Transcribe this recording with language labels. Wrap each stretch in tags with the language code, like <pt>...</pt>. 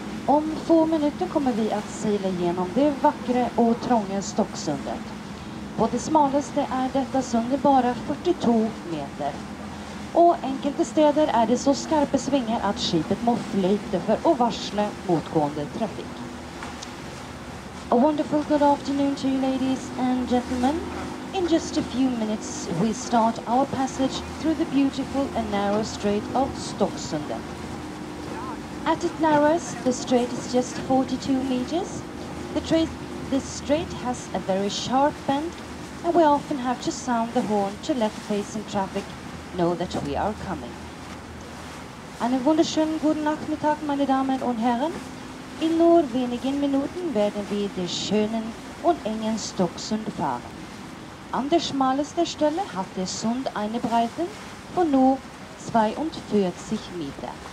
<sv>Om få minuter kommer vi att segla igenom det vackra och trånga Stocksundet. På det smalaste är detta sund bara 42 meter.</sv> <no>Och enkelte städer är det så skarpa svingar att skipet må flyta för att varsla motgående trafik.</no> <en>A wonderful good afternoon to you ladies and gentlemen. In just a few minutes we start our passage through the beautiful and narrow strait of Stocksundet. At its narrowest, the strait is just 42 meters. This strait has a very sharp bend, and we often have to sound the horn to let facing traffic know that we are coming.</en> <de>Einen wunderschönen guten Nachmittag, meine Damen und Herren. In nur wenigen Minuten werden wir den schönen und engen Stocksund fahren. An der schmalesten Stelle hat der Sund eine Breite von nur 42 Meter.</de>